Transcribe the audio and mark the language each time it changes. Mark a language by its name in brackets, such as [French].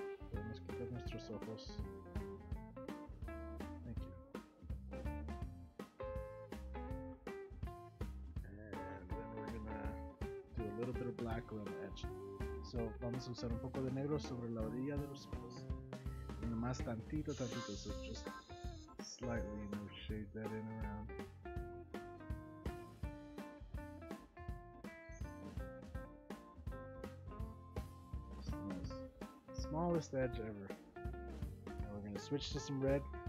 [Spanish] Podemos quitar nuestros ojos. [English] Thank you. And then we're gonna do a little bit of black around the edge. [Spanish] So, vamos a usar un poco de negro sobre la orilla de los ojos. Y nomás tantito, tantito. [English] So, just slightly, and we'll shade that in around. Smallest edge ever. Now we're going to switch to some red.